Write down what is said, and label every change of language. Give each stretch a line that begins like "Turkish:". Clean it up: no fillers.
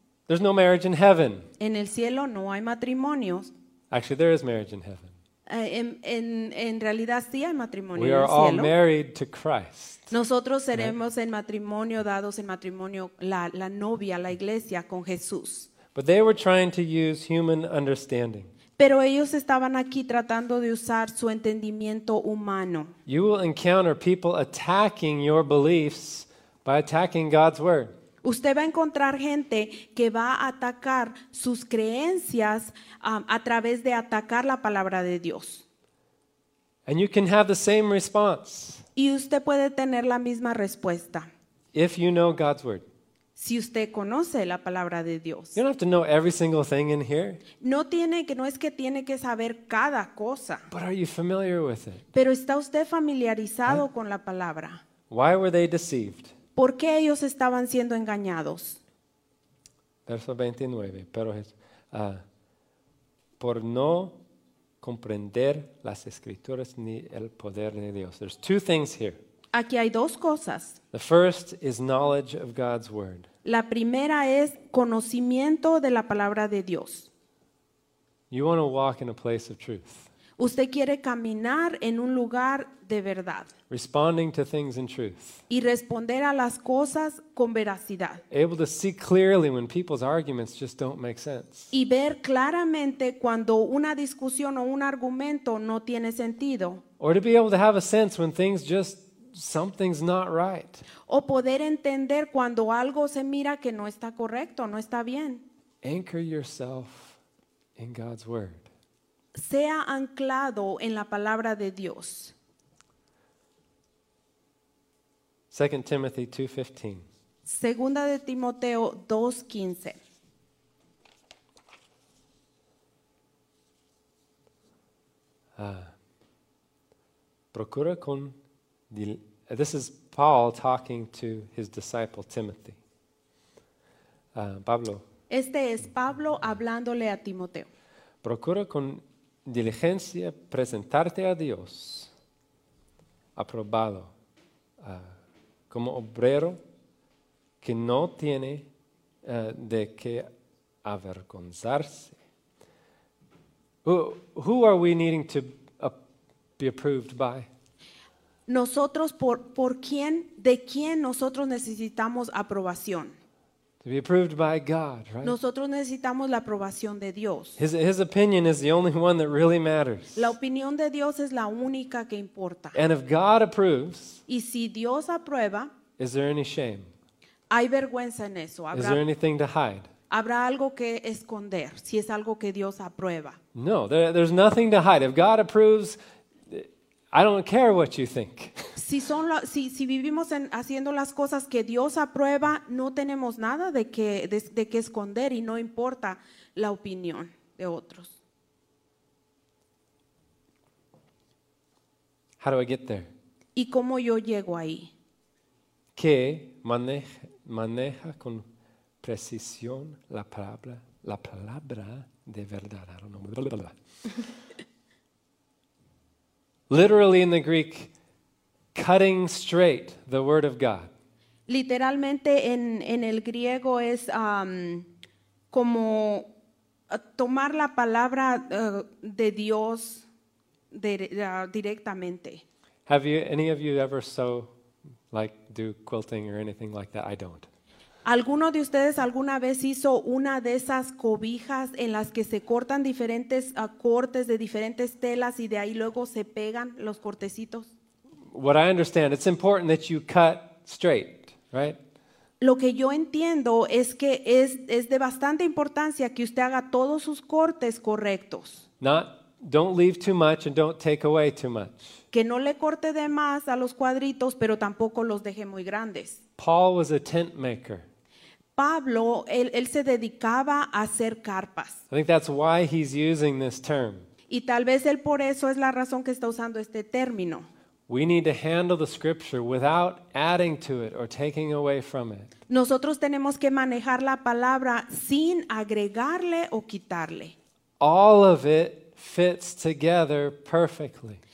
English: There's no marriage in heaven.
Spanish: En el cielo no hay matrimonios.
English: Actually, there is marriage in heaven.
Spanish: En realidad sí hay matrimonio
English: We are all married to Christ.
Spanish: Nosotros seremos en matrimonio, dados en matrimonio, la novia, la iglesia, con Jesús.
English: But they were trying to use human understanding.
Spanish: Pero ellos estaban aquí tratando de usar su entendimiento humano.
English: You will encounter people attacking your beliefs by attacking God's word.
Spanish: Usted va a encontrar gente que va a atacar sus creencias a través de atacar la palabra de Dios.
English: And you can have the same response.
Spanish: Y usted puede tener la misma respuesta.
English: If you know God's word.
Spanish: Si usted conoce la palabra de Dios.
English: You don't have to know every single thing in here.
Spanish: No es que tiene que saber cada cosa.
English: But are you familiar with it?
Spanish: Pero ¿está usted familiarizado con la palabra?
English: Why were they deceived?
Spanish: ¿Por qué ellos estaban siendo engañados? Verso 29. Pero por no comprender las escrituras ni el poder de Dios.
English: There's two things here.
Spanish: Aquí hay dos cosas.
English: The first is knowledge of God's word.
Spanish: La primera es conocimiento de la palabra de Dios.
English: You want to walk in a place of truth.
Spanish: Usted quiere caminar en un lugar de verdad.
English: Responding to things in truth.
Spanish: Y responder a las cosas con veracidad.
English: Able to see clearly when people's arguments just don't make sense.
Spanish: Y ver claramente cuando una discusión o un argumento no tiene sentido.
English: Or to be able to have a sense when things just something's not right.
Spanish: O poder entender cuando algo se mira que no está correcto, no está bien.
English: Anchor yourself in God's word.
Spanish: Sea anclado en la palabra de Dios.
English: 2 Timothy 2:15.
Spanish: Segunda de Timoteo 2:15. Procura con
English: this is Paul talking to his disciple Timothy. Pablo.
Spanish: Este es Pablo hablándole a Timoteo. Procura con diligencia presentarte a Dios aprobado como obrero que no tiene de qué avergonzarse.
English: Who are we needing to be approved by?
Spanish: Nosotros por quién, de quién nosotros necesitamos aprobación.
English: To be approved by God, right?
Spanish: Nosotros necesitamos la aprobación de Dios.
English: His opinion is the only one that really matters.
Spanish: La opinión de Dios es la única que importa.
English: And if God approves,
Spanish: y si Dios aprueba,
English: is there any shame?
Spanish: Hay vergüenza en eso.
English: Is there anything to hide?
Spanish: Habrá algo que esconder si es algo que Dios aprueba.
English: No, there's nothing to hide. If God approves, I don't care what you think.
Spanish: Si vivimos en haciendo las cosas que Dios aprueba, no tenemos nada de que esconder y no importa la opinión de otros.
English: How do I get there?
Spanish: ¿Y cómo yo llego ahí? ¿Qué maneja con precisión la palabra de verdad?
English: I don't know. Blah, blah, blah. Literally in the Greek, cutting straight the word of God.
Spanish: Literalmente en el griego es como tomar la palabra de Dios directamente.
English: Have you any of you ever sew, like do quilting or anything like that? I don't.
Spanish: ¿Alguno de ustedes alguna vez hizo una de esas cobijas en las que se cortan diferentes cortes de diferentes telas y de ahí luego se pegan los cortecitos?
English: What I understand, it's important that you cut straight, right?
Spanish: Lo que yo entiendo es que es de bastante importancia que usted haga todos sus cortes correctos.
English: Don't leave too much and don't take away too much.
Spanish: Que no le corte de más a los cuadritos, pero tampoco los deje muy grandes.
English: Paul was a tent maker.
Spanish: Pablo, él se dedicaba a hacer carpas.
English: I think that's why he's using this term.
Spanish: Y tal vez él por eso es la razón que está usando este término.
English: We need to handle the scripture without adding to it or taking away from it.
Spanish: Nosotros tenemos que manejar la palabra sin agregarle o quitarle.
English: All of it fits together perfectly.